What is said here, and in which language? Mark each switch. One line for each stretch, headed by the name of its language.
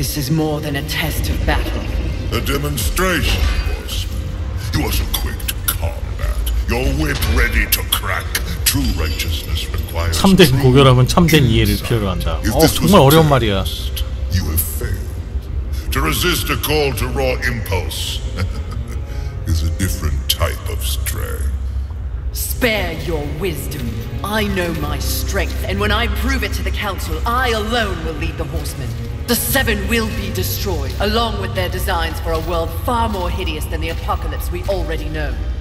English: more than a test of battle. A demonstration, horseman. You are so quick to combat. Your whip ready to crack. True righteousness requires.
Korean: 참된 고결함은 참된 이해를 필요로 한다. 정말 어려운 말이야.
English: You have failed. To resist a call to raw impulse is a different type of strength. Spare your wisdom. I know my strength, and when I prove it to the council, I alone will lead the horsemen. The Seven will be destroyed, along with their designs for a world far more hideous than the apocalypse we already know.